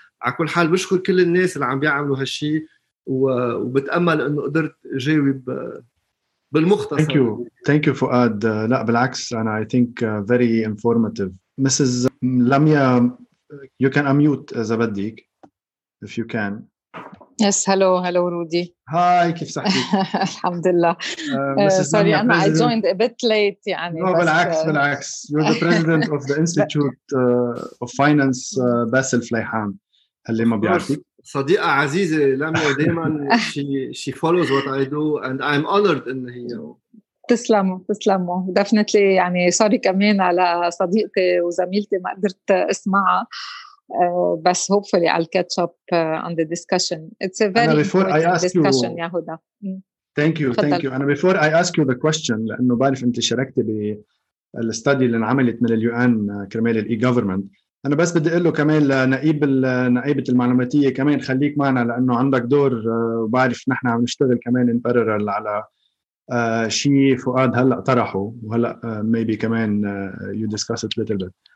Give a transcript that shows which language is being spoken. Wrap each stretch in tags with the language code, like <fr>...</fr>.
<ar>على كل حال بشكر كل الناس اللي عم بيعملوا هالشي وبتأمل أنه قدرت جاوب بالمختصر.</ar> <en>Thank you فؤاد.</en> <ar>لا بالعكس أنا</ar> <en>I think very informative. Mrs. Lamia, you can unmute إذا بديك. If you can. Yes, hello رودي.</en> <ar>Hi, كيف صحتك؟ الحمد لله.</ar> <en>Sorry, أنا I joined a bit late يعني.</en> <ar>No, بالعكس بالعكس.</ar> <en>You're the president of the Institute of Finance Basel Fleihan.</en> <ar>اللي ما بيعرفك. صديقة عزيزة</ar> <en>لاميا دائما she follows what I do and I'm honored إن هي.</en> <ar>تسلموا</ar> <en>definitely</en> <ar>يعني sorry كمان على صديقتي وزميلتي ما قدرت اسمعها.</ar> <en>بس hopefully I'll catch up on the discussion. It's a very important discussion, يهودا. Thank you. And before I ask you the question,</en> <ar>لأنه بعرف أنت شاركتي بالستادي اللي انعملت من الـ UN كرمال الـ e-government. أنا بس بدي أقول له كمان لنقيبة المعلوماتية كمان خليك معنا لأنه عندك دور وبعرف نحن عم نشتغل كمان</ar> <en>in parallel</en> <ar>على شيء فؤاد هلأ طرحه وهلأ maybe كمان</ar> <en>you discuss it a little bit.</en>